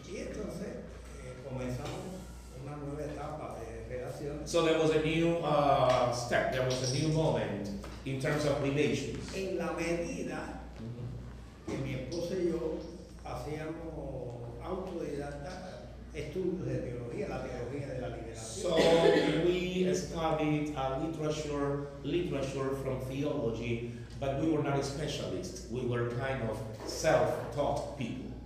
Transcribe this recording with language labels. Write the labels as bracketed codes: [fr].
[es] Y entonces comenzamos una nueva etapa de relaciones. [en] So there was a new step, there was a new moment in terms of relations. [es] En la medida que mi esposa y yo hacíamos autodidacta estudios de teología, la teología de la liberación. [en] So we studied literature from theology. But we were not a specialist. We were kind of self-taught people.